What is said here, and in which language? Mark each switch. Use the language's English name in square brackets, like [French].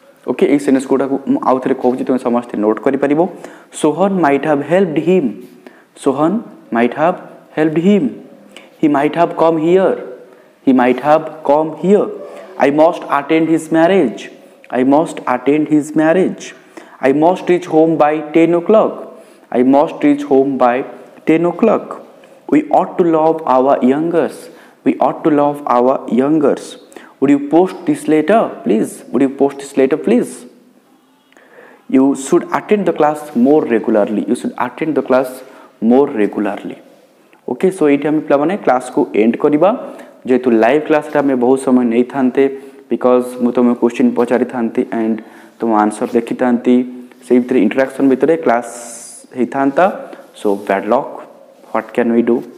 [English] okay [Odia] ଏଇ ସେନେସ୍ ଗୁଡ଼ାକୁ ମୁଁ ଆଉ ଥରେ କହୁଛି ତୁମେ ସମସ୍ତେ ନୋଟ୍ କରିପାରିବ [English] Sohan might have helped him Sohan might have helped him he might have come here he might have come here I must attend his marriage I must attend his marriage I must reach home by 10:00 I must reach home by 10:00. We ought to love our youngers. We ought to love our youngers. Would you post this later, please? Would you post this later, please? You should attend the class more regularly. You should attend the class more regularly. [Odia] Okay, so ଏଇଠି ଆମେ ପିଲାମାନେ କ୍ଲାସ୍କୁ and କରିବା ଯେହେତୁ live କ୍ଲାସ୍ରେ ଆମେ ବହୁତ ସମୟ ନେଇଥାନ୍ତେ ବିକଜ୍ ମୁଁ ତୁମେ କ୍ୱେଶ୍ଚିନ୍ ପଚାରିଥାନ୍ତି ଆଣ୍ଡ ତୁମ ଆନ୍ସର ଦେଖିଥାନ୍ତି ସେଇ ଭିତରେ ଇଣ୍ଟରାକ୍ସନ୍ ଭିତରେ କ୍ଲାସ୍ ହେଇଥାନ୍ତା [English] so bad luck what can we do